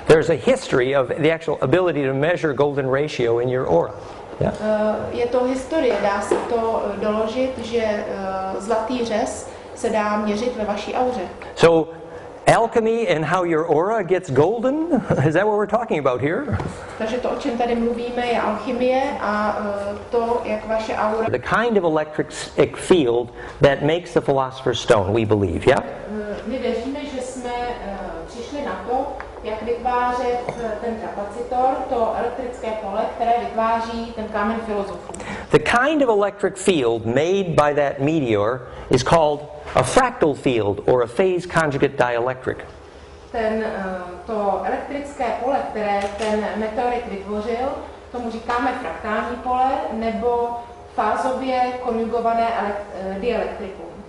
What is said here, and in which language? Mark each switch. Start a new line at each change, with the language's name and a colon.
English: There's a history of the actual ability to measure golden ratio in your aura. Yeah.
Czech: Je to historie, dá se to doložit, že zlatý řez se dá měřit ve vaší auře.
English: So, alchemy and how your aura gets golden? Is that what we're talking about here?
Czech: Takže to, o čem tady mluvíme, je alchymie a to, jak vaše aura...
English: The kind of electric field that makes the philosopher's stone, we believe, yeah?
Czech: My věříme, že jsme přišli na to, jak vytvářet ten kapacitor, to elektrické pole, které vytváří ten kámen filozofů.
English: The kind of electric field made by that meteor is called a fractal field or a phase conjugate dielectric.
Czech: Ten to elektrické pole, které ten meteorit vytvořil, tomu říkáme fraktální pole nebo fázově konjugované dielektrikum.